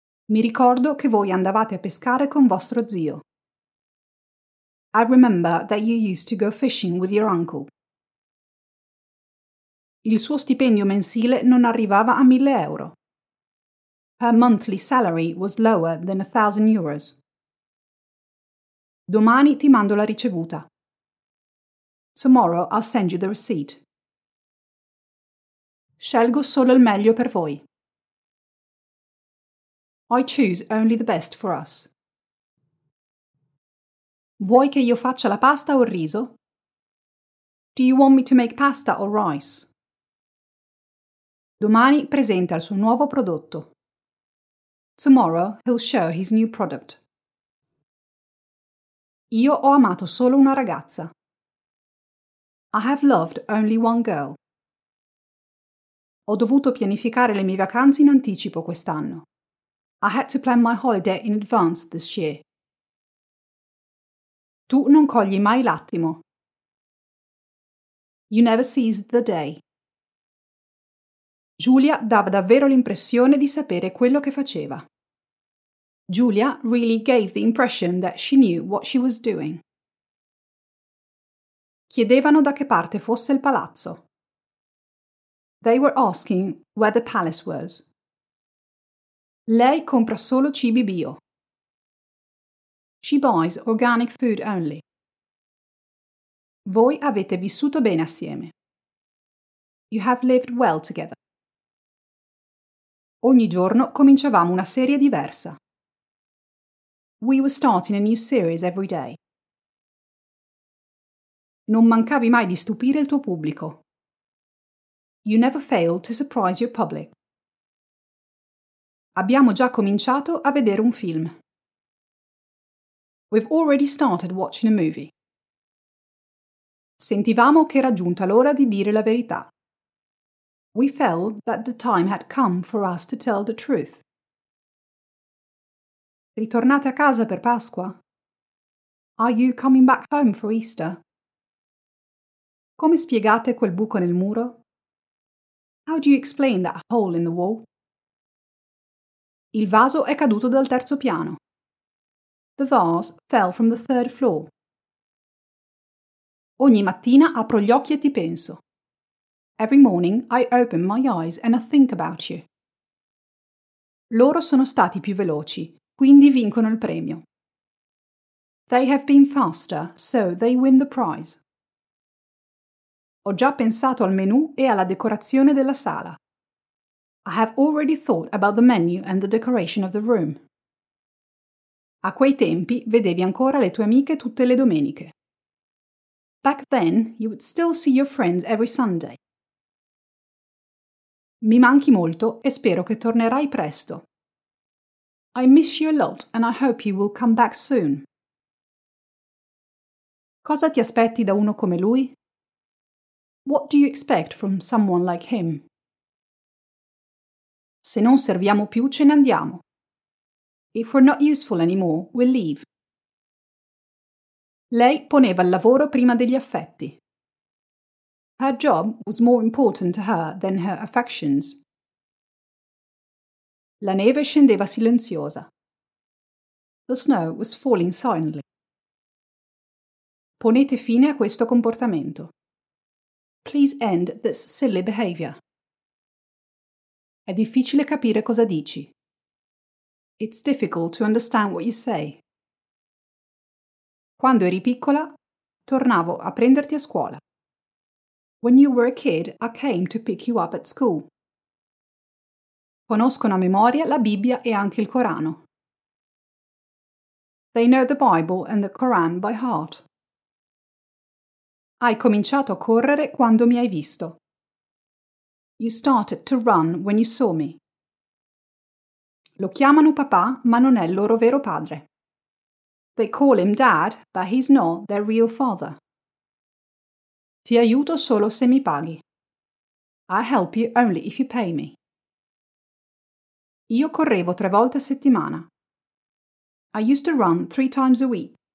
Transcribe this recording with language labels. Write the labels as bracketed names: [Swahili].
[Italian] Mi ricordo che voi andavate a pescare con vostro zio. [English] I remember that you used to go fishing with your uncle. [Italian] Il suo stipendio mensile non arrivava a 1000 euro. [English] Her monthly salary was lower than 1000 euros. [Italian] Domani ti mando la ricevuta. [English] Tomorrow I'll send you the receipt. [Italian] Scelgo solo il meglio per voi. [English] I choose only the best for us. [Italian] Vuoi che io faccia la pasta o il riso? [English] Do you want me to make pasta or rice? [Italian] Domani presenta il suo nuovo prodotto. [English] Tomorrow he'll show his new product. [Italian] Io ho amato solo una ragazza. [English] I have loved only one girl. [Italian] Ho dovuto pianificare le mie vacanze in anticipo quest'anno. [English] I had to plan my holiday in advance this year. [Italian] Tu non cogli mai l'attimo. [English] You never seize the day. [Italian] Giulia dava davvero l'impressione di sapere quello che faceva. [English] Giulia really gave the impression that she knew what she was doing. [Italian] Chiedevano da che parte fosse il palazzo. [English] They were asking where the palace was. [Italian] Lei compra solo cibi bio. [English] She buys organic food only. [Italian] Voi avete vissuto bene assieme. [English] You have lived well together. [Italian] Ogni giorno cominciavamo una serie diversa. [English] We were starting a new series every day. [Italian] Non mancavi mai di stupire il tuo pubblico. [English] You never failed to surprise your public. [Italian] Abbiamo già cominciato a vedere un film. [English] We've already started watching a movie. [Italian] Sentivamo che era giunta l'ora di dire la verità. [English] We felt that the time had come for us to tell the truth. [Italian] Ritornate a casa per Pasqua? [English] Are you coming back home for Easter? [Italian] Come spiegate quel buco nel muro? [English] How do you explain that hole in the wall? [Italian] Il vaso è caduto dal terzo piano. [English] The vase fell from the third floor. [Italian] Ogni mattina apro gli occhi e ti penso. [English] Every morning I open my eyes and I think about you. [Italian] Loro sono stati più veloci, quindi vincono il premio. [English] They have been faster, so they win the prize. [Italian] Ho già pensato al menù e alla decorazione della sala. [English] I have already thought about the menu and the decoration of the room. [Italian] A quei tempi vedevi ancora le tue amiche tutte le domeniche. [English] Back then, you would still see your friends every Sunday. [Italian] Mi manchi molto e spero che tornerai presto. [English] I miss you a lot and I hope you will come back soon. [Italian] Cosa ti aspetti da uno come lui? [English] What do you expect from someone like him? [Italian] Se non serviamo più, ce ne andiamo. [English] If we're not useful anymore, we'll leave. [Italian] Lei poneva il lavoro prima degli affetti. [English] Her job was more important to her than her affections. [Italian] La neve scendeva silenziosa. [English] The snow was falling silently. [Italian] Ponete fine a questo comportamento. [English] Please end this silly behavior. [Italian] È difficile capire cosa dici. [English] It's difficult to understand what you say. [Italian] Quando eri piccola, tornavo a prenderti a scuola. [English] When you were a kid, I came to pick you up at school. [Italian] Conoscono a memoria la Bibbia e anche il Corano. [English] They know the Bible and the Quran by heart. [Italian] Hai cominciato a correre quando mi hai visto. [English] You started to run when you saw me. [Italian] Lo chiamano papà, ma non è il loro vero padre. [English] They call him dad, but he's not their real father. [Italian] Ti aiuto solo se mi paghi. [English] I help you only if you pay me. [Italian] Io correvo 3 volte a settimana. [English] I used to run 3 times a week.